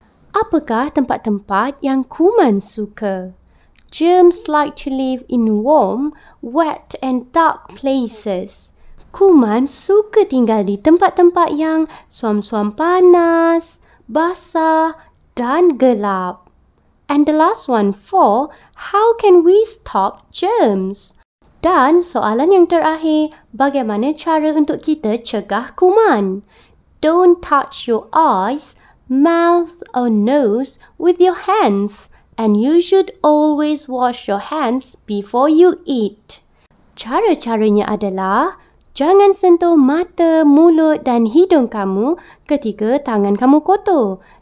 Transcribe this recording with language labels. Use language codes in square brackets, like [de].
[ms] Apakah tempat-tempat yang kuman suka? [en] Germs like to live in warm, wet and dark places. [ms] Kuman suka tinggal di tempat-tempat yang suam-suam panas, basah dan gelap. [en] And the last one, 4. How can we stop germs? [ms] Dan soalan yang terakhir, bagaimana cara untuk kita cegah kuman? [en] Don't touch your eyes, mouth or nose with your hands. And you should always wash your hands before you eat. [ms] Cara-caranya adalah... Jangan sentuh mata, mulut dan hidung kamu ketika tangan kamu kotor.